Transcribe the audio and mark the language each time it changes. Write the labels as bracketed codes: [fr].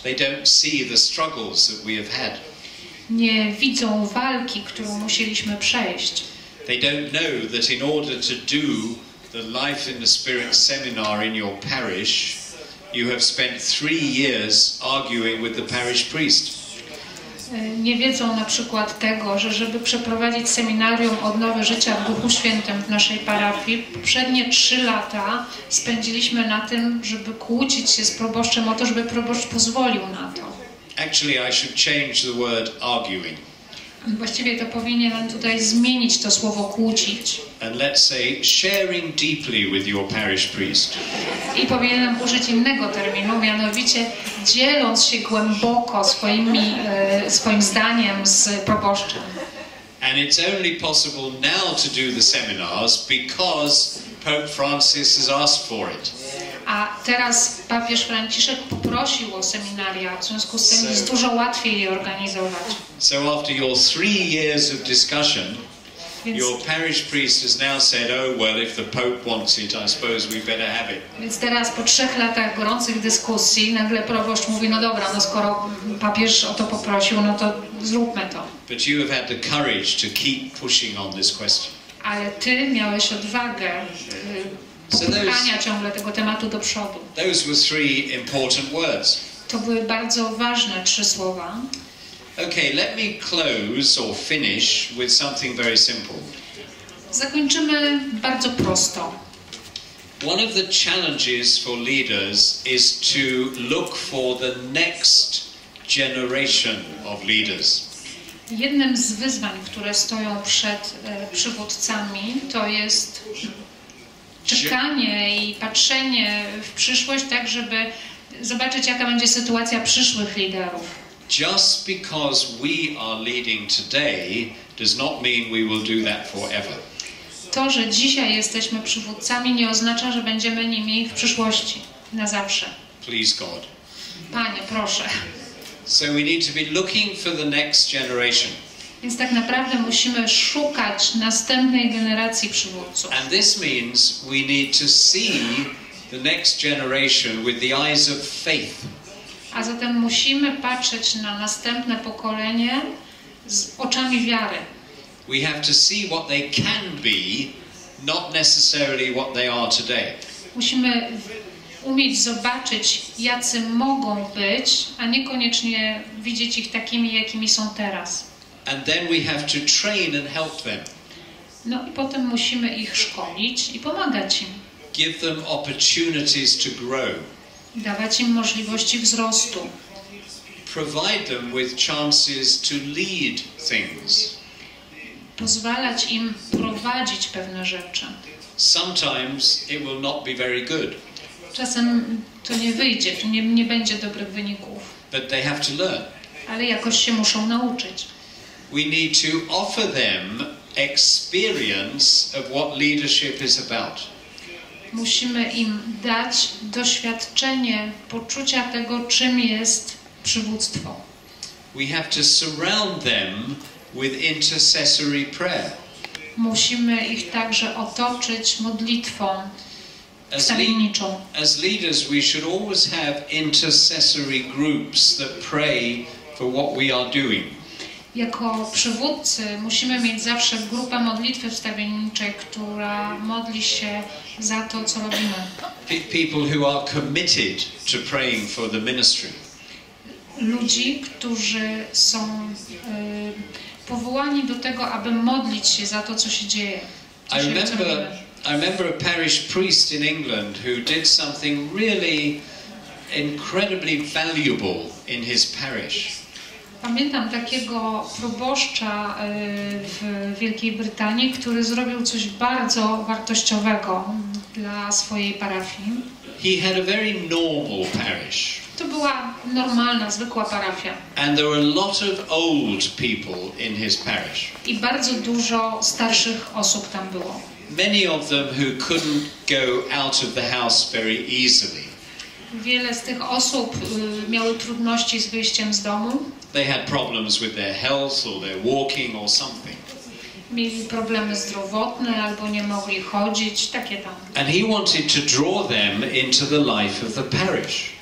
[en] They don't see the struggles that we have had. [pl] Nie widzą walki, którą musieliśmy przejść. [en] They don't know that in order to do the Life in the Spirit seminar in your parish, you have spent 3 years arguing with the parish priest. [pl] Nie wiedzą na przykład tego, że żeby przeprowadzić seminarium odnowy życia w Duchu Świętym w naszej parafii, poprzednie 3 lata spędziliśmy na tym, żeby kłócić się z proboszczem o to, żeby proboszcz pozwolił na to. [en] Actually, I should change the word arguing. [pl] Właściwie to powinienem tutaj zmienić to słowo kłócić. [en] And let's say sharing deeply with your parish priest. [pl] I powinienem użyć innego terminu, mianowicie dzieląc się głęboko swoim zdaniem z proboszczem. [en] And it's only possible now to do the seminars because Pope Francis has asked for it. [pl] A teraz papież Franciszek poprosił o seminaria, w związku z tym jest dużo łatwiej je organizować. [en] So after your 3 years of discussion, your parish priest has now said, oh well, if the Pope wants it, I suppose we better have it. [pl] Więc teraz po 3 latach gorących dyskusji nagle proboszcz mówi, no dobra, no skoro papież o to poprosił, no to zróbmy to. [en] But you have had the courage to keep pushing on this question. [pl] Ale ty miałeś odwagę popychania ciągle tego tematu do przodu. [en] Those were 3 important words. [pl] To były bardzo ważne 3 słowa. [en] Okay, let me close or finish with something very simple. [pl] Zakończymy bardzo prosto. [en] One of the challenges for leaders is to look for the next generation of leaders. [pl] Jednym z wyzwań, które stoją przed przywódcami, to jest czekanie i patrzenie w przyszłość tak, żeby zobaczyć, jaka będzie sytuacja przyszłych liderów. [en] Just because we are leading today does not mean we will do that forever. [pl] To, że dzisiaj jesteśmy przywódcami, nie oznacza, że będziemy nimi w przyszłości, na zawsze. [en] Please God. [pl] Panie, proszę. [en] So we need to be looking for the next generation. [pl] Więc tak naprawdę musimy szukać następnej generacji przywódców. [en] And this means we need to see the next generation with the eyes of faith. [pl] A zatem musimy patrzeć na następne pokolenie z oczami wiary. [en] We have to see what they can be, not necessarily what they are today. [pl] Musimy umieć zobaczyć, jacy mogą być, a niekoniecznie widzieć ich takimi, jakimi są teraz. [en] And then we have to train and help them. [pl] No i potem musimy ich szkolić i pomagać im. [en] Give them opportunities to grow. [pl] Dawać im możliwości wzrostu. [en] Provide them with chances to lead things. [pl] Pozwalać im prowadzić pewne rzeczy. [en] Sometimes it will not be very good. [pl] Czasem to nie wyjdzie, to nie będzie dobrych wyników. [en] But they have to learn. [pl] Ale jakoś się muszą nauczyć. [en] We need to offer them experience of what leadership is about. [pl] Musimy im dać doświadczenie poczucia tego, czym jest przywództwo. [en] We have to surround them with intercessory prayer. [pl] Musimy ich także otoczyć modlitwą wstawienniczą. [en] As leaders, we should always have intercessory groups that pray for what we are doing. [pl] Jako przywódcy musimy mieć zawsze grupę modlitwy wstawienniczej, która modli się za to, co robimy. [en] People who are committed to praying for the ministry. [pl] Ludzi, którzy są powołani do tego, aby modlić się za to, co się dzieje. [en] I remember a parish priest in England who did something really incredibly valuable in his parish. [pl] Pamiętam takiego proboszcza w Wielkiej Brytanii, który zrobił coś bardzo wartościowego dla swojej parafii. [en] He had a very normal parish. [pl] To była normalna, zwykła parafia. [en] And there were a lot of old people in his parish. [pl] I bardzo dużo starszych osób tam było. [en] Many of them who couldn't go out of the house very easily. [pl] Wiele z tych osób miały trudności z wyjściem z domu. [en] They had problems with their health or their walking or something. [pl] Mieli problemy zdrowotne albo nie mogli chodzić, takie tam. [en] And he wanted to draw them into the life of the parish.